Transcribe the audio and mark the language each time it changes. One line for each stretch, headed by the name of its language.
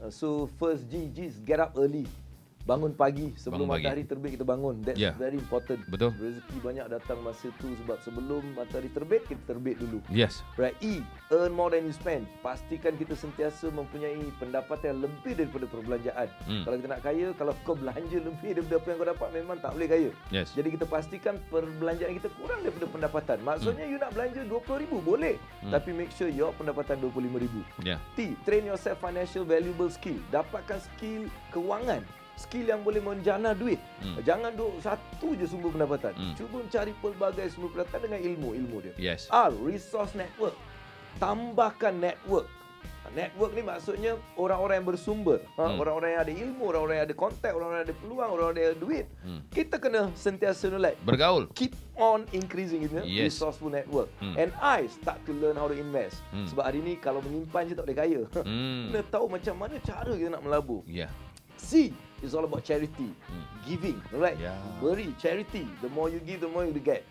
English: So first G, just get up early.
Malay: Bangun pagi. Sebelum bangun matahari pagi. Terbit kita bangun.
English: That's very important.
Malay: Betul. Rezeki banyak datang masa tu sebab sebelum matahari terbit, kita terbit dulu.
English: Yes. Right. E, earn more than you spend.
Malay: Pastikan kita sentiasa mempunyai pendapatan yang lebih daripada perbelanjaan. Kalau kita nak kaya, kalau kau belanja lebih daripada apa yang kau dapat, memang tak boleh kaya.
English: Yes.
Malay: Jadi kita pastikan perbelanjaan kita kurang daripada pendapatan. Maksudnya you nak belanja RM20,000, boleh.
English: Tapi make sure your pendapatan RM25,000. Yeah. T, train yourself financial valuable skill.
Malay: Dapatkan skill kewangan. Skill yang boleh menjana duit. Jangan duduk satu je sumber pendapatan. Cuba cari pelbagai sumber pendapatan dengan ilmu-ilmu dia.
English: Yes. R, resource network.
Malay: Tambahkan network. Network ni maksudnya orang-orang yang bersumber. Orang-orang yang ada ilmu, orang-orang yang ada kontak, orang-orang yang ada peluang, orang-orang yang ada duit. Kita kena sentiasa nolak. Bergaul.
English: Keep on increasing itu. Yes. Resourceful network. And I start to learn how to invest.
Malay: Sebab hari ni kalau menyimpan je tak boleh kaya. Kena tahu macam mana cara kita nak melabur.
English: Yeah. C, it's all about charity. Giving, right? Yeah.
Malay: Beri, charity.
English: The more you give, the more you get.